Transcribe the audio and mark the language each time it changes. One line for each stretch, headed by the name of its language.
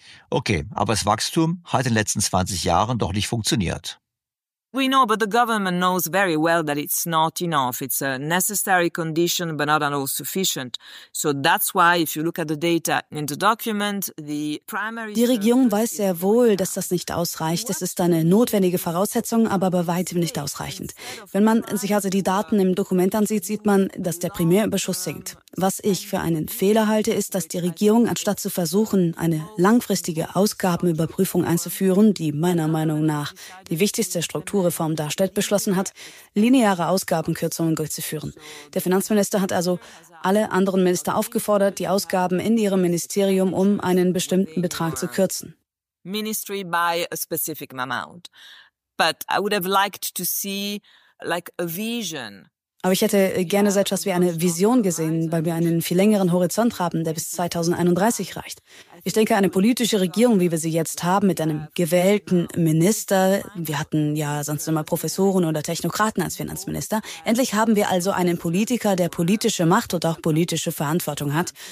German: Okay, aber das Wachstum hat in den letzten 20 Jahren doch nicht funktioniert.
English: We know, but the government knows very well that it's not enough. It's a necessary condition, but not at all sufficient. So that's why, if you look at the data in the document, the primary.
German: Die Regierung weiß sehr wohl, dass das nicht ausreicht. Es ist eine notwendige Voraussetzung, aber bei weitem nicht ausreichend. Wenn man sich also die Daten im Dokument ansieht, sieht man, dass der Primärüberschuss sinkt. Was ich für einen Fehler halte, ist, dass die Regierung, anstatt zu versuchen, eine langfristige Ausgabenüberprüfung einzuführen, die meiner Meinung nach die wichtigste Strukturreform darstellt, beschlossen hat, lineare Ausgabenkürzungen durchzuführen. Der Finanzminister hat also alle anderen Minister aufgefordert, die Ausgaben in ihrem Ministerium um einen bestimmten Betrag zu kürzen.
English: Ministry by a specific amount. But I would have liked to see like a vision.
German: Aber ich hätte gerne so etwas wie eine Vision gesehen, weil wir einen viel längeren Horizont haben, der bis 2031 reicht. Ich denke, eine politische Regierung, wie wir sie jetzt haben, mit einem gewählten Minister, wir hatten ja sonst immer Professoren oder Technokraten als Finanzminister, endlich haben wir also einen Politiker, der politische Macht und auch politische Verantwortung hat.